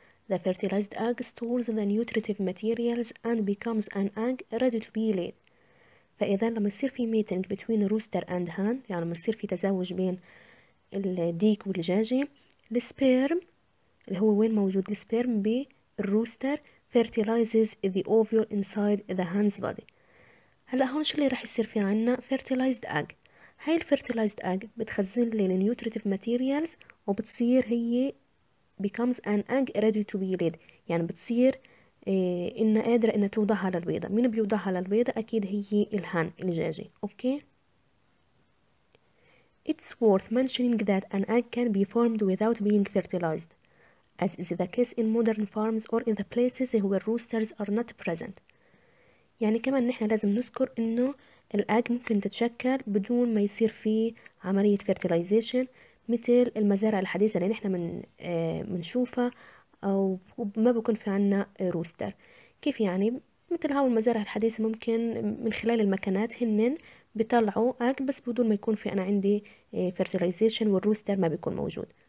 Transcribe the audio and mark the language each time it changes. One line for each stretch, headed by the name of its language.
English: The fertilized egg stores the nutritive materials and becomes an egg ready to be laid.
Arabic: فإذا لما يصير في
English: mating between rooster and hen,
Arabic: يعني لما يصير في تزاوج بين الديك والجاجي, السبيرم اللي هو وين موجود السبيرم بالروستر
English: fertilizes the ovule inside the hen's body.
Arabic: هلا هون شو اللي راح يصير في عنا
English: fertilized egg.
Arabic: هاي
English: fertilized egg
Arabic: بتخزن لي
English: nutritive materials
Arabic: وبتصير هي
English: becomes an egg ready to be laid.
Arabic: يعني بتصير إنها قادرة إنها توضعها للبيضة. مين بيوضعها للبيضة؟ أكيد هي الهن الجاجي. أوكي.
English: It's worth mentioning that an egg can be formed without being fertilized, as is the case in modern farms or in the places where roosters are not present.
Arabic: يعني كمان نحن لازم نذكر إنه الأج ممكن تتشكل بدون ما يصير في عملية fertilization. مثل المزارع الحديثة اللي نحن منشوفها أو ما بكون في عنا روستر. كيف يعني؟ مثل هاو المزارع الحديثة ممكن من خلال المكنات هنن بيطلعوا أك بس بدون ما يكون في أنا عندي fertilization والروستر ما بيكون موجود.